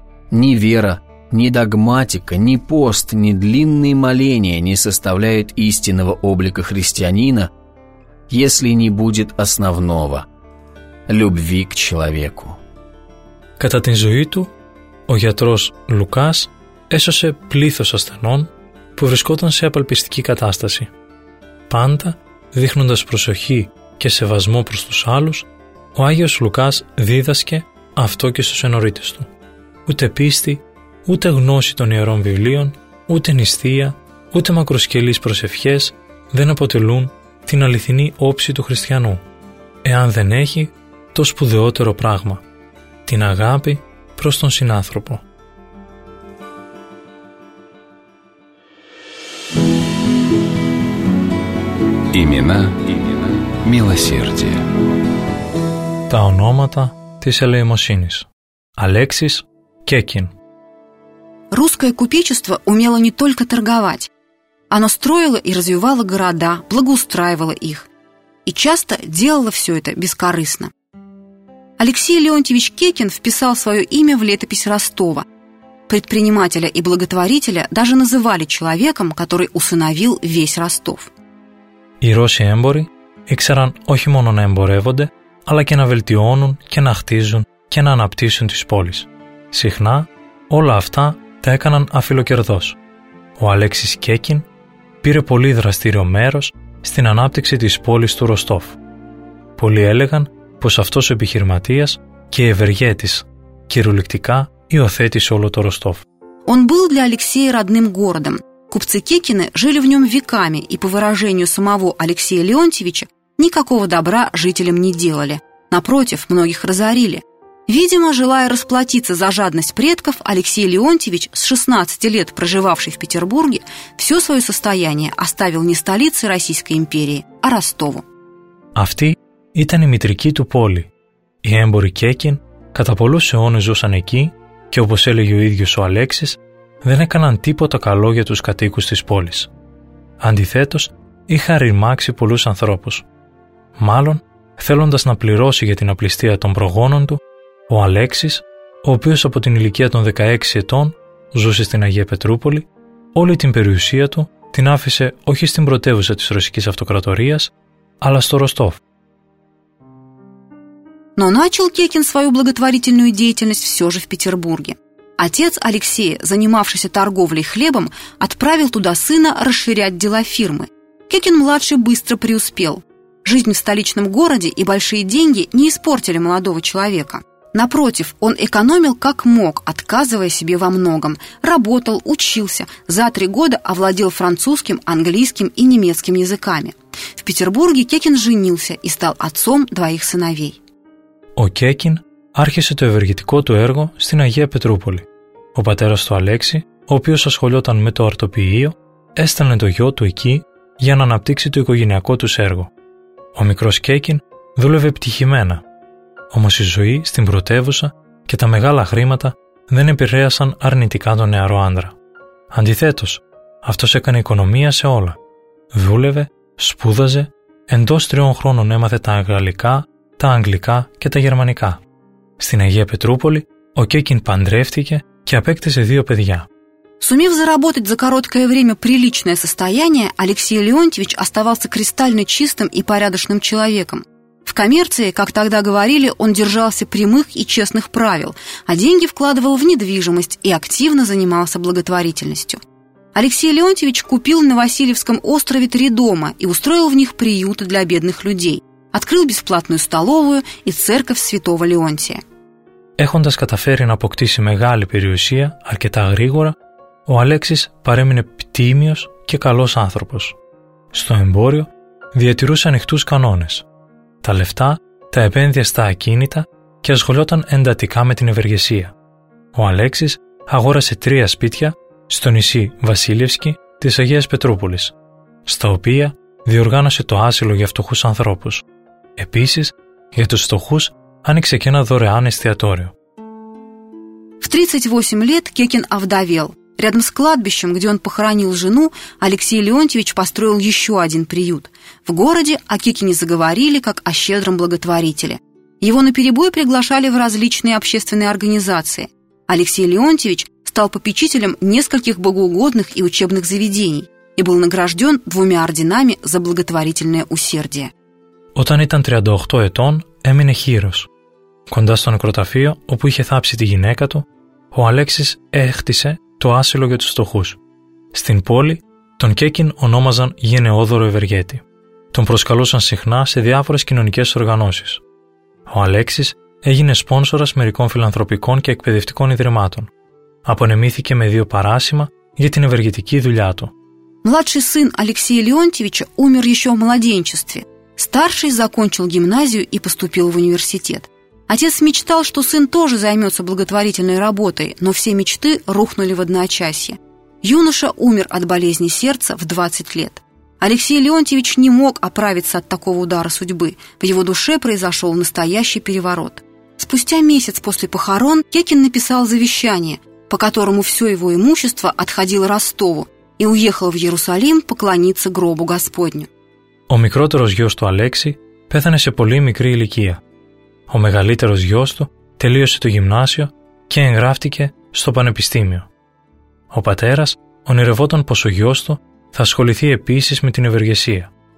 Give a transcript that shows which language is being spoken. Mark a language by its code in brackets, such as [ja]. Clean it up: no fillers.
[ru] Ни вера, ни догматика, ни пост, ни длинные моления не составляют истинного облика христианина, если не будет основного – любви к человеку. [el] Κατά την ζωή του, ο γιατρός Λουκάς έσωσε πλήθος ασθενών που βρισκόταν σε απελπιστική κατάσταση. Πάντα, δείχνοντας προσοχή και σεβασμό προς τους άλλους, ο Άγιος Λουκάς δίδασκε αυτό και στους ενωρίτες του. Ούτε πίστη, ούτε γνώση των ιερών βιβλίων, ούτε νηστεία, ούτε μακροσκελείς προσευχές δεν αποτελούν την αληθινή όψη του χριστιανού, εάν δεν έχει το σπουδαιότερο πράγμα, την αγάπη προς τον συνάνθρωπο. [ru] Имена, имена, милосердие. [el] Τα ονόματα της ελεημοσύνης. Αλέξης Κέκιν. [ru] Русское купечество умело не только торговать. Оно строило и развивало города, благоустраивало их. И часто делало все это бескорыстно. Алексей Леонтьевич Кекин вписал свое имя в летопись Ростова. Предпринимателя и благотворителя даже называли человеком, который усыновил весь Ростов. [el] Οι Ρώσοι έμποροι ήξεραν όχι μόνο να εμπορεύονται, αλλά και να βελτιώνουν και να χτίζουν και να αναπτύσσουν τις πόλεις. Συχνά όλα αυτά τα έκαναν αφιλοκερδώς. Ο Αλέξης Κέκιν πήρε πολύ δραστήριο μέρος στην ανάπτυξη της πόλης του Ροστόφ. Πολλοί έλεγαν πως αυτός ο επιχειρηματίας και ευεργέτης κυριολεκτικά υιοθέτησε όλο το Ροστόφ. [ru] Он был для Алексея родным городом. Купцы Кекины жили в нем веками и, по выражению самого Алексея Леонтьевича, никакого добра жителям не делали. Напротив, многих разорили. Видимо, желая расплатиться за жадность предков, Алексей Леонтьевич, с 16 лет проживавший в Петербурге, все свое состояние оставил не столице Российской империи, а Ростову. [el] Αυτή ήταν η μητρική του πόλη. Οι έμποροι Κέκιν κατά πολλούς αιώνες ζούσαν εκεί και, όπως έλεγε ο ίδιος ο Αλέξης, δεν έκαναν τίποτα καλό για τους κατοίκους της πόλης. Αντιθέτως, είχαν ρημάξει πολλούς ανθρώπους. Μάλλον, θέλοντας να πληρώσει για την απληστία των προγόνων του, ο Αλέξης, ο οποίος από την ηλικία των 16 ετών ζούσε στην Αγία Πετρούπολη, όλη την περιουσία του την άφησε όχι στην πρωτεύουσα της Ρωσικής Αυτοκρατορίας, αλλά στο Ροστόφ. [ru] Но начал Кекин свою благотворительную деятельность все же в Петербурге. Отец Алексея, занимавшийся торговлей хлебом, отправил туда сына расширять дела фирмы. Кекин-младший быстро преуспел. Жизнь в столичном городе и большие деньги не испортили молодого человека. Напротив, он экономил как мог, отказывая себе во многом. Работал, учился, за 3 года овладел французским, английским и немецким языками. В Петербурге Кекин женился и стал отцом 2 сыновей. [el] Ο Κέκιν άρχισε το ευεργετικό του έργο στην Αγία Πετρούπολη. Ο πατέρας του Αλέξη, ο οποίος ασχολιόταν με το αρτοποιείο, έστελνε το γιο του εκεί για να αναπτύξει το οικογενειακό του έργο. Ο μικρός Κέκιν δούλευε επιτυχημένα. Όμως η ζωή στην πρωτεύουσα και τα μεγάλα χρήματα δεν επηρέασαν αρνητικά τον νεαρό άντρα. Αντιθέτως, αυτός έκανε οικονομία σε όλα. Δούλευε, σπούδαζε, εντός 3 χρόνων έμαθε τα γαλλικά, τα αγγλικά και τα γερμανικά. Στην Αγία Πετρούπολη, ο Κέκιν παντρεύτηκε και απέκτησε 2 παιδιά. [ru] Сумев заработать за короткое время приличное состояние, Алексей Леонтьевич оставался кристально чистым и порядочным человеком. В коммерции, как тогда говорили, он держался прямых и честных правил, а деньги вкладывал в недвижимость и активно занимался благотворительностью. Алексей Леонтьевич купил на Васильевском острове 3 дома и устроил в них приюты для бедных людей. Открыл бесплатную столовую и церковь Святого Леонтия. [el] Έχοντας καταφέρει να αποκτήσει μεγάλη περιουσία αρκετά γρήγορα, ο Αλέξης παρέμεινε πτήμιος και καλός άνθρωπος. Στο εμπόριο διατηρούσε ανοιχτούς κανόνες. Τα λεφτά τα επένδυε στα ακίνητα και ασχολιόταν εντατικά με την ευεργεσία. Ο Αλέξης αγόρασε 3 σπίτια στο νησί Βασίλευσκι της Αγίας Πετρούπολης, στα οποία διοργάνωσε το άσυλο για φτωχούς ανθρώπους. Επίσης, για τους φτωχούς άνοιξε και ένα δωρεάν εστιατόριο. [ru] В 38 лет Кекин овдовел. Рядом с кладбищем, где он похоронил жену, Алексей Леонтьевич построил еще один приют. В городе о Кекине заговорили, как о щедром благотворителе. Его наперебой приглашали в различные общественные организации. Алексей Леонтьевич стал попечителем нескольких богоугодных и учебных заведений и был награжден 2 орденами за благотворительное усердие. [el] Όταν ήταν 38 ετών, έμεινε χείρος. Κοντά στο νεκροταφείο, όπου είχε θάψει τη γυναίκα του, ο Αλέξης έχτισε το άσυλο για τους φτωχούς. Στην πόλη, τον Κέκιν ονόμαζαν γενναιόδωρο ευεργέτη. Τον προσκαλούσαν συχνά σε διάφορες κοινωνικές οργανώσεις. Ο Αλέξης έγινε σπόνσορας μερικών φιλανθρωπικών και εκπαιδευτικών ιδρυμάτων. Απονεμήθηκε με 2 παράσημα για την ευεργετική δουλειά του. [ru] Младший сын Алексея Леонтьевича умер еще в младенчестве. Старший закончил гимназию и поступил в университет. Отец мечтал, что сын тоже займется благотворительной работой, но все мечты рухнули в одночасье. Юноша умер от болезни сердца в 20 лет. Алексей Леонтьевич не мог оправиться от такого удара судьбы. В его душе произошел настоящий переворот. Спустя месяц после похорон Кекин написал завещание, по которому все его имущество отходило Ростову, и уехал в Иерусалим поклониться гробу Господню. [el] Ο μικρότερος γιος του Αλέξη πέθανε σε πολύ μικρή ηλικία. Ο μεγαλύτερος γιος του τελείωσε το γυμνάσιο και εγγράφτηκε στο πανεπιστήμιο. Ο πατέρας ονειρευόταν πως ο γιος του θα ασχοληθεί επίσης με την ευεργεσία.